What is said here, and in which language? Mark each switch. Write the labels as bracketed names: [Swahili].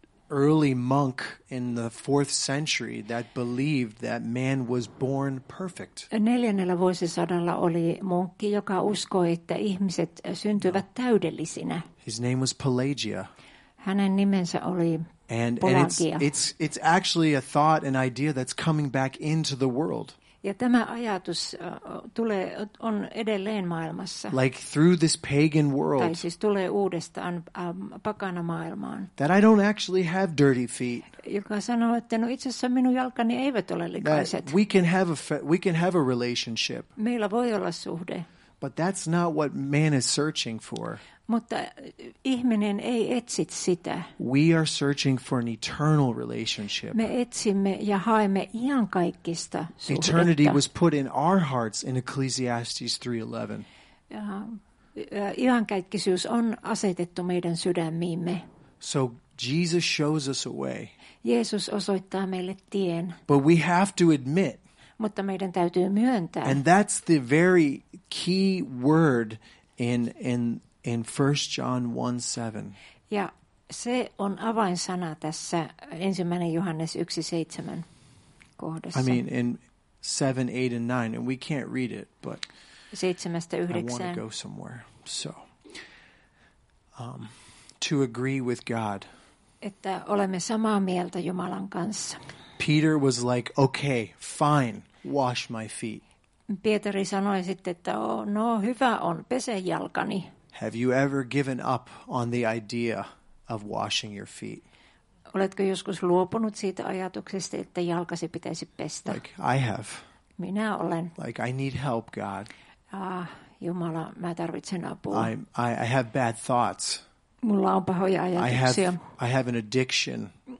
[English] Early monk in the 4th century that believed that man was born perfect. [Finnish] 4. vuosisadalla oli munkki, joka uskoi, että ihmiset syntyvät täydellisinä. [English] His name was Pelagia. [Finnish] Hänen nimensä oli Pelagia. [English] And it's actually a thought, an idea that's coming back into the world. [Finnish] Ja tämä ajatus on edelleen maailmassa. [English] Like through this pagan world. [Finnish] Tai siis tulee uudestaan pakana maailmaan. [English] That I don't actually have dirty feet. [Finnish] Joka sanoo, että no itse asiassa minun jalkani eivät ole likaiset. [English] That we can have a relationship. [Finnish] Meillä voi olla suhde. [English] But that's not what man is searching for. [Finnish] Mutta ihminen ei etsi sitä. [English] We are searching for an eternal relationship. [Finnish] Me etsimme ja haemme iankaikkista suhdetta. [English] Eternity was put in our hearts in Ecclesiastes 3:11. [Finnish] Iankaikkisuus on asetettu meidän sydämiimme. [English] So Jesus shows us a way. [Finnish] Jeesus osoittaa meille tien. [English] But we have to admit. [Finnish] Mutta meidän täytyy myöntää. [English] And that's the very key word in 1 John 1:7. [Finnish] Ja se on avainsana tässä ensimmäinen Johannes 1:7 kohdassa. [English] I mean in 7, 8 and 9 and we can't read it, but [Finnish] 7-9. [English] I want to go somewhere. So to agree with God. [Finnish] Että olemme samaa mieltä Jumalan kanssa. [English] Peter was like, okay, fine, wash my feet. [Finnish] Pietari sanoi sitten, että no hyvä on, pese jalkani. [English] Have you ever given up on the idea of washing your feet? [Finnish] Oletko joskus luopunut siitä ajatuksesta, että jalkasi pitäisi pestä? [English] Like, I have. [Finnish] Minä olen. [English] Like, I need help, God. [Finnish] Jumala, mä tarvitsen apua. [English] I have bad thoughts. [Finnish] Mulla on pahoja ajatuksia. [English] I have an addiction.